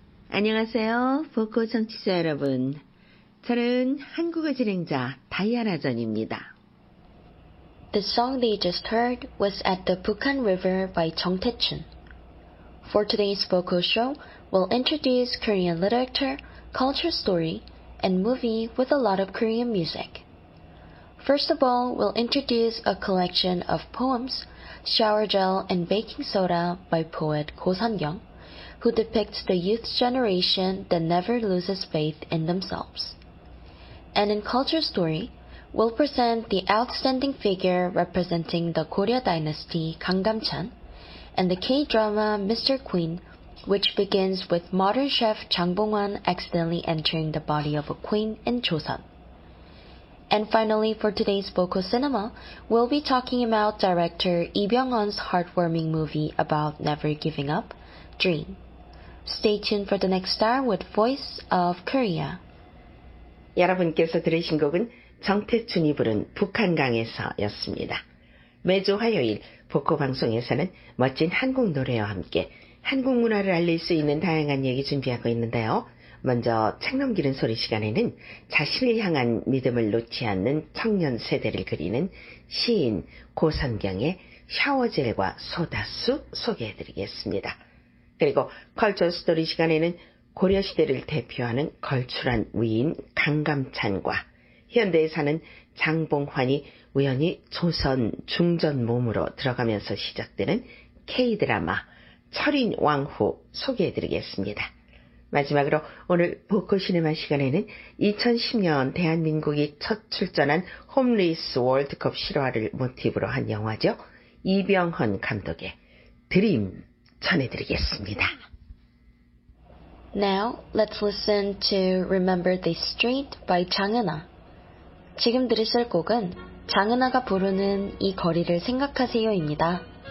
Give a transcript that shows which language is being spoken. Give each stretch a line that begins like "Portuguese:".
Korean: 안녕하세요, 보코 청취자 여러분. 저는 한국어 진행자 다이아나 전입니다.
English: The song they just heard was At the Pukan River by 정태춘. For today's Boko show, we'll introduce Korean literature, culture story, and movie with a lot of Korean music. First of all, we'll introduce a collection of poems, Shower Gel and Baking Soda by poet Go Sun-young, who depicts the youth generation that never loses faith in themselves. And in culture story, we'll present the outstanding figure representing the Goryeo dynasty, Kang Gam-chan, and the K-drama Mr. Queen, which begins with modern chef Jang Bong-won accidentally entering the body of a queen in Joseon. And finally, for today's Boko Cinema, we'll be talking about director Lee Byung-hun's heartwarming movie about never giving up, Dream. Stay tuned for the next star with Voice of Korea.
Korean: 여러분께서 들으신 곡은 정태춘이 부른 북한강에서였습니다. 매주 화요일 보코 방송에서는 멋진 한국 노래와 함께 한국 문화를 알릴 수 있는 다양한 얘기 준비하고 있는데요. 먼저 책 넘기는 소리 시간에는 자신을 향한 믿음을 놓지 않는 청년 세대를 그리는 시인 고선경의 샤워젤과 소다수 소개해드리겠습니다. 그리고 컬처 스토리 시간에는 고려시대를 대표하는 걸출한 위인 강감찬과 현대에 사는 장봉환이 우연히 조선 중전 몸으로 들어가면서 시작되는 K-드라마 철인 왕후 소개해드리겠습니다. 마지막으로 오늘 보코시네마 시간에는 2010년 대한민국이 첫 출전한 홈리스 월드컵 실화를 모티브로 한 영화죠. 이병헌 감독의 드림 전해드리겠습니다.
English: Now, let's listen to Remember This Street by 장은아.
Korean: 지금 들으실 곡은 장은아가 부르는 이 거리를 생각하세요입니다.